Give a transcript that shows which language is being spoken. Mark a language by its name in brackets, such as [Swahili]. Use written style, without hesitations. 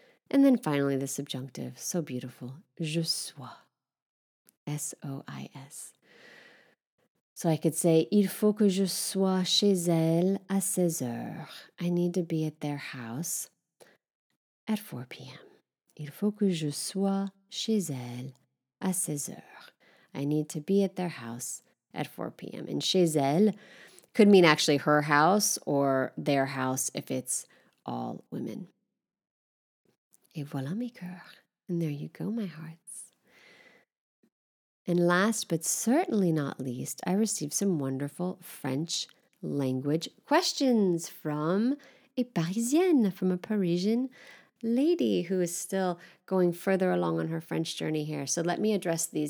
[English] And then finally the subjunctive, so beautiful. Je sois, S-O-I-S. So I could say, [French] il faut que je sois chez elle à 16 heures. [English] I need to be at their house at 4 p.m. [French] Il faut que je sois chez elle à 16 heures. [English] I need to be at their house at 4 p.m. And chez elle could mean actually her house or their house if it's all women. [French] Et voilà mes cœurs. [English] And there you go, my hearts. And last but certainly not least, I received some wonderful French language questions from a Parisienne, from a Parisian lady who is still going further along on her French journey here. So let me address these.